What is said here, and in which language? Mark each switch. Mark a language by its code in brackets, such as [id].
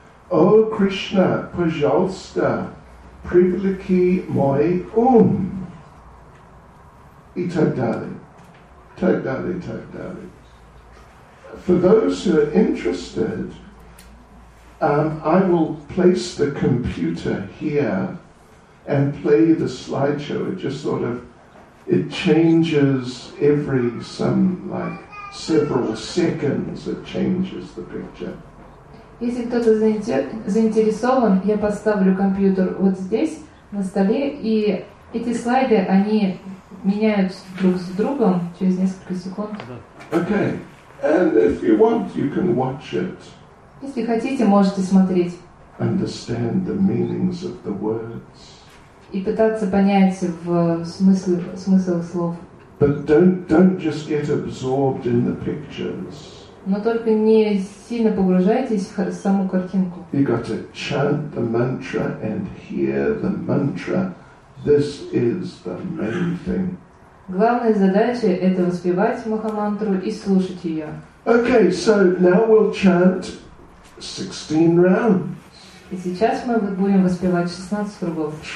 [ru] О, Кришна, пожалуйста, привлеки мой ум. И так далее, так далее, так далее. [en] For those who are interested, I will place the computer here and play the slideshow. It just sort of, it changes every some, like, several seconds, it changes the picture. [ru] Если кто-то заинтересован, я поставлю компьютер вот здесь, на столе, и эти слайды, они меняют друг с другом через несколько секунд. [en] Okay. And if you want, you can watch it. [ru] Если хотите, можете смотреть. [en] Understand the meanings of the words. [ru] И пытаться понять в смысл слов. [en] But don't just get absorbed in the pictures. [ru] Но только не сильно погружайтесь в саму картинку. [en] You got to chant the mantra and hear the mantra. This is the main thing. [ru] Главная задача – это воспевать Махамантру и слушать ее. [en] Okay, so now we'll chant 16 rounds. [ru] И сейчас мы будем воспевать 16 кругов.